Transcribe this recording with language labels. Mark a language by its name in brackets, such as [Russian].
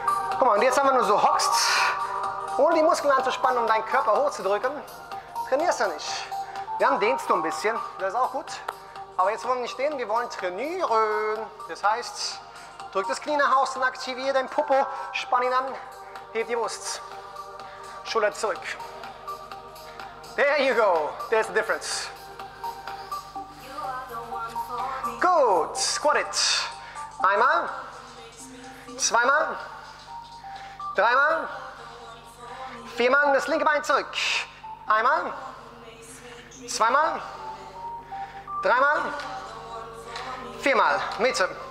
[German] Guck mal, und jetzt einfach nur so hockst, ohne die Muskeln anzuspannen, um deinen Körper hochzudrücken, trainierst du nicht. Dann dehnst du ein bisschen, das ist auch gut. Aber jetzt wollen wir nicht dehnen, wir wollen trainieren. Das heißt, drück das Knie nach außen, aktiviere dein Popo, spann ihn an, heb die Brust. Schulter zurück. [English] There you go, there's the difference. Gut, squat it. [German] Einmal, zweimal, dreimal, viermal, das linke Bein zurück. Einmal, zweimal, dreimal, viermal, Mitte.